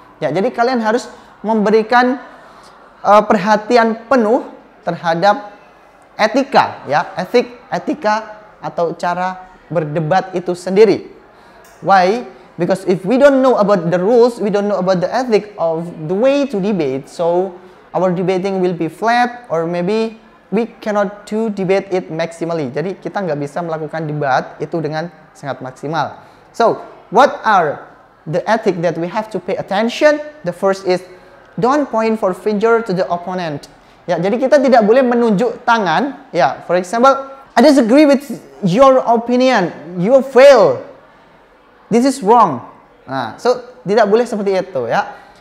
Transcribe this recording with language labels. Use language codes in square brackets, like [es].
[id] Ya, jadi kalian harus memberikan perhatian penuh terhadap etika, ya, etika atau cara berdebat itu sendiri. [en] Why? Because if we don't know about the rules, we don't know about the ethic of the way to debate, so our debating will be flat, or maybe we cannot to debate it maximally. [id] Jadi kita nggak bisa melakukan debat itu dengan sangat maksimal. [en] So, what are the ethic that we have to pay attention? The first is, don't point for finger to the opponent. [id] Ya, jadi kita tidak boleh menunjuk tangan. Ya, [en] for example, I disagree with your opinion. You fail. This is wrong. [id] Nah, so tidak boleh seperti itu ya.